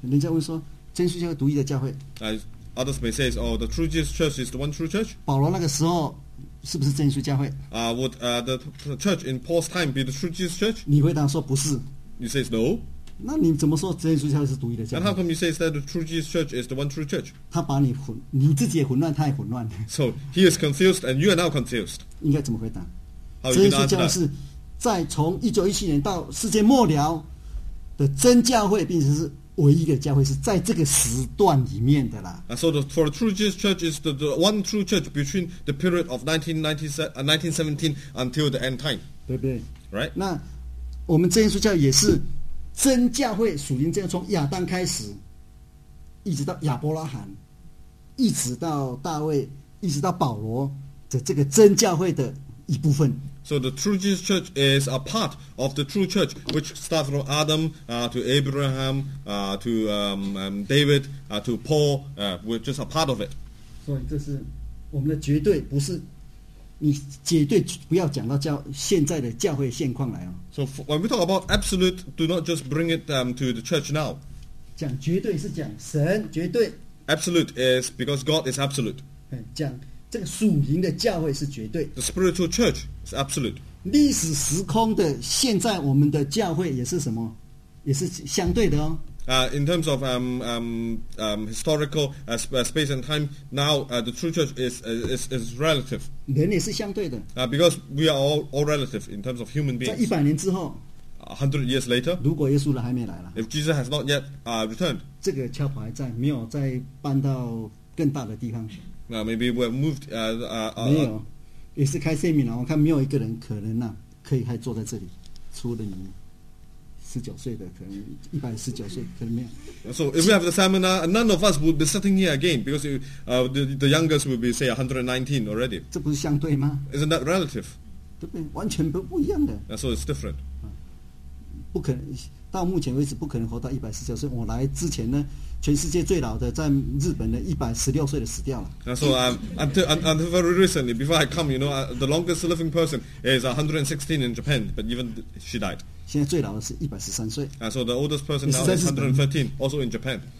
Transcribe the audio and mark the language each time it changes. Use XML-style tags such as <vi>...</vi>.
<zh>人家问说，真耶稣教会独一的教会。</zh> <en>Others may say, oh, the true Jesus church is the one true church. Would the church in Paul's time be the true Jesus church?</en> <zh>你回答说不是。</zh> <en>You say it's no.</en> <zh>那你怎么说真耶稣教会是独一的教会?</zh> <en>And how come you say that the true Jesus church is the one true church?</en> <zh>他把你混,你自己也混乱,他也混乱。</zh> <en>So he is confused and you are now confused.</en> <zh>应该怎么回答?</zh> <en>How you can answer that?</en> <zh>真耶稣教会是在从1917年到世界末了的真教会并且是唯一的教会是在这个时段里面的啦。</zh> <en>So for the true Jesus Church is the one true church between the period of 1917 until the end time.</en> <zh>对不对</zh> <en>？Right.</en> <zh>那我们真耶稣教也是真教会，属灵教会，从亚当开始，一直到亚伯拉罕，一直到大卫，一直到保罗的这个真教会的一部分。</zh> <en>So the true Jesus church is a part of the true church which starts from Adam to Abraham to David to Paul. We're just a part of it. So this is</en> <zh>我们的绝对不是你绝对不要讲到教现在的教会现况来哦。</zh> <en>So when we talk about absolute, do not just bring it to the church now.</en> <zh>讲绝对是讲神绝对。</zh> <en>Absolute is because God is absolute.</en> <zh>讲这个属灵的教会是绝对。</zh> <en>The spiritual church. Absolute.</en> <zh>历史时空的现在我们的教会也是什么也是相对的哦。</zh> <en>In terms of historical space and time, now the true church is relative.</en> <zh>人也是相对的。</zh> <en>Because we are all relative in terms of human beings.</en> <zh>在100年之后。</zh> <en>100 years later,</en> <zh>如果耶稣还没来了,</zh> <en>if Jesus has not yet returned,</en> <zh>这个桥牌还在, 没有再搬到更大的地方,</zh> <en>maybe we have moved,</en> <zh>没有, 也是开seminar, 我看没有一个人可能啊, 可以还坐在这里, 除了你, 19岁的, 可能119岁, 可能没有,</zh> <en>so if we have the seminar, none of us will be sitting here again, because the youngest will be say 119 already.</en> <zh>这不是相对吗?</zh> <en>Isn't that relative?</en> <zh>对不对?完全不一样的,</zh> <en>so it's different.</en> <zh>不可能到目前为止不可能活到119岁我来之前呢 全世界最老的在日本的116岁的死掉了</zh> <en>so until very recently before I come you know the longest living person is 116 in Japan but even she died</en> <zh>现在最老的是113岁</zh> <en>so the oldest person now is 113 also in Japan</en>